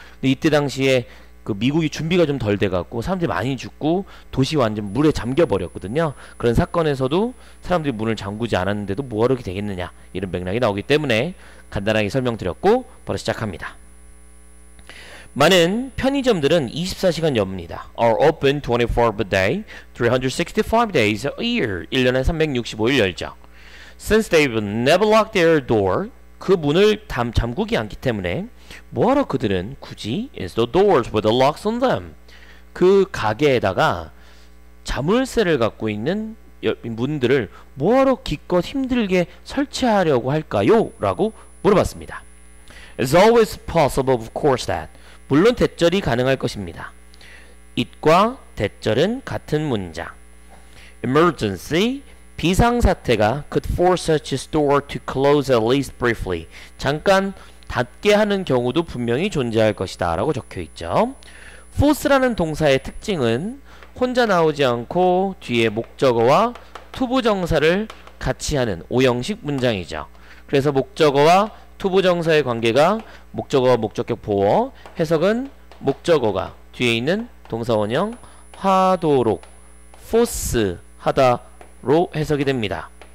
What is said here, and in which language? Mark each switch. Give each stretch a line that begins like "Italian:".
Korean: 근데 이때 당시에 그 미국이 준비가 좀 덜 돼갖고 사람들이 많이 죽고 도시 완전 물에 잠겨버렸거든요. 그런 사건에서도 사람들이 문을 잠그지 않았는데도 뭐하러 이렇게 되겠느냐 이런 맥락이 나오기 때문에 간단하게 설명드렸고 바로 시작합니다. 많은 편의점들은 24시간 엽니다.
English: Are open 24 per day, 365 days a year.
Korean: 1년에 365일 열죠.
English: Since they've never locked their door,
Korean: 그 문을 잠그지 않기 때문에 뭐하러 그들은 굳이
English: install doors with the locks on them?
Korean: 그 가게에다가 자물쇠를 갖고 있는 문들을 뭐하러 기껏 힘들게 설치하려고 할까요? 라고 물어봤습니다.
English: It's always possible, of course, that
Korean: 물론 대절이 가능할 것입니다. It과 대절은 같은 문장.
English: Emergency,
Korean: 비상사태가
English: could force such a store to close at least briefly.
Korean: 잠깐 닫게 하는 경우도 분명히 존재할 것이다 라고 적혀있죠. force라는 동사의 특징은 혼자 나오지 않고 뒤에 목적어와 투부정사를 같이 하는 오형식 문장이죠. 그래서 목적어와 투부정사의 관계가 목적어와 목적격 보어, 해석은 목적어가 뒤에 있는 동사원형 하도록 force 하다로 해석이 됩니다.